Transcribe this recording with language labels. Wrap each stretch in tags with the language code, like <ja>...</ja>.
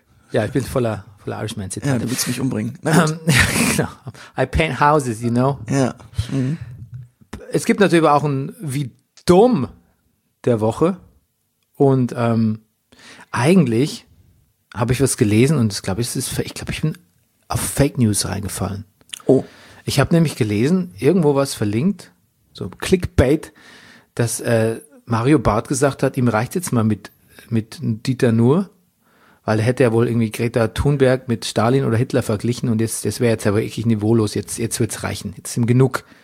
<de>Ja, ich bin voller Irishman-Zitate. Ja, du willst mich umbringen. genau.</de> <en>I paint houses, you know. Ja. Yeah. Mhm.</en> <de>Es gibt natürlich auch ein wie dumm der Woche und eigentlich habe ich was gelesen und ich glaube ich bin auf Fake News reingefallen. Oh, ich habe nämlich gelesen, irgendwo was verlinkt, so Clickbait, dass Mario Barth gesagt hat, ihm reicht jetzt mal mit Dieter Nuhr, weil er hätte ja wohl irgendwie Greta Thunberg mit Stalin oder Hitler verglichen und jetzt das wäre jetzt aber wirklich niveaulos, jetzt wird's reichen, jetzt ist ihm genug.</de>